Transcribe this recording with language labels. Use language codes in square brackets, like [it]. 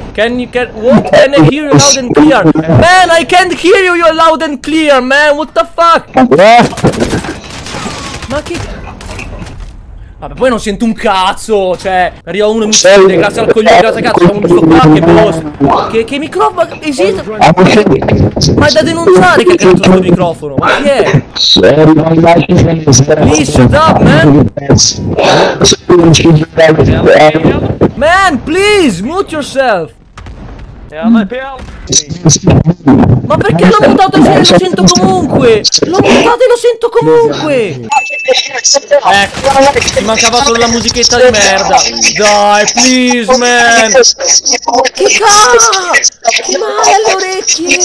[en] Can I hear you loud and clear? Man, I can't hear you, you're loud and clear, man. What the fuck? [it] Ma che... Vabbè, poi non sento un cazzo, cioè... Arriva uno e mi sente, grazie al coglione, grazie a cazzo, siamo un suo qua, che boss. Che microfono esiste? Ma è da denunciare che cazzo sto microfono, ma chi è? [en] Please, shut up, man! Man, please, mute yourself! [it] Ma perché l'ho mutato il fiore? Lo sento comunque! L'ho mutato e lo sento comunque! Ecco, mi mancava solo la musichetta di merda! [en] Dai, please, man! [it] Che cazzo! Che male alle orecchie!